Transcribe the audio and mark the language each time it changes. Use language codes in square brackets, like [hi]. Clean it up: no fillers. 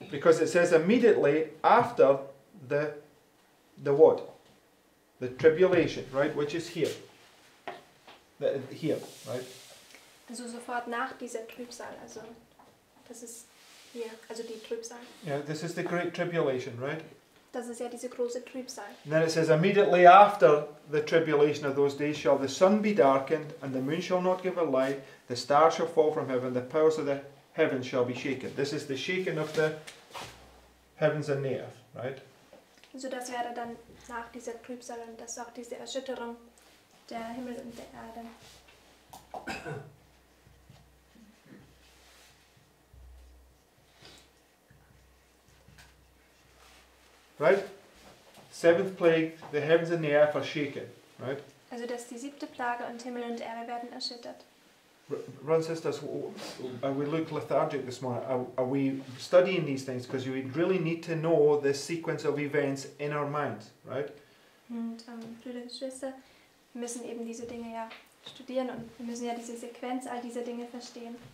[en] Because it says immediately after the what? The tribulation, right? Which is here. Here, right? [de] Also sofort nach dieser Trübsal, also das ist hier, also die Trübsal. [en] Yeah, this is the great tribulation, right? [de] Das ist ja diese große Trübsal. [en] And then it says, immediately after the tribulation of those days shall the sun be darkened, and the moon shall not give her light, the stars shall fall from heaven, the powers of the heavens shall be shaken. This is the shaking of the heavens and the earth, right? [de] So das wäre dann nach dieser Trübsal und das auch diese Erschütterung der Himmel und der Erde. [en] Right? Seventh plague, the heavens and the earth are shaken, right? [de] Also dass die siebte Plage und Himmel und Erde werden erschüttert. [en] Brothers and sisters, we look lethargic this morning. Are we studying these things? Because you really need to know the sequence of events in our minds, right? [de] Und Brüder und Schwester, wir müssen eben diese Dinge ja studieren und wir müssen ja diese Sequenz all dieser Dinge verstehen.